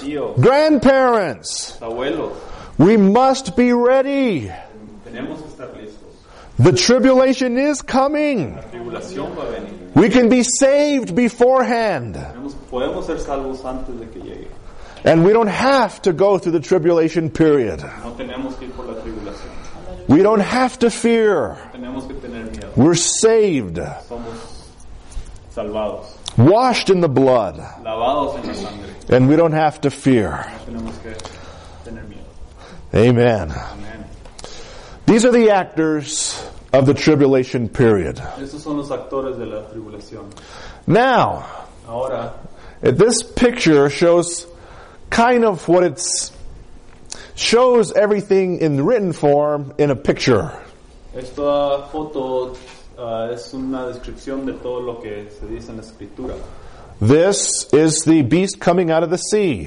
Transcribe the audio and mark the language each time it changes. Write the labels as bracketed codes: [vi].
[es] Tíos. [en] Grandparents. [es] Abuelos. [en] We must be ready. [es] Tenemos que estar listos. [en] The tribulation is coming. [es] La tribulación va a venir. [en] We can be saved beforehand. [es] Podemos ser salvos antes de que llegue. [en] And we don't have to go through the tribulation period. [es] No tenemos que ir por la tribulación. [en] We don't have to fear. [es] Tenemos que tener miedo. [en] We're saved. [es] Somos salvados. [en] Washed in the blood. [es] Lavados en la sangre. [en] And we don't have to fear. [es] No tenemos que tener miedo. [en] Amen. These are the actors of the tribulation period. [es] Estos son los actores de la tribulación. [en] Now, [es] ahora, [en] this picture shows kind of what it's shows everything in written form in a picture. [es] Esta foto es una descripción de todo lo que se dice en la escritura. [en] This is the beast coming out of the sea.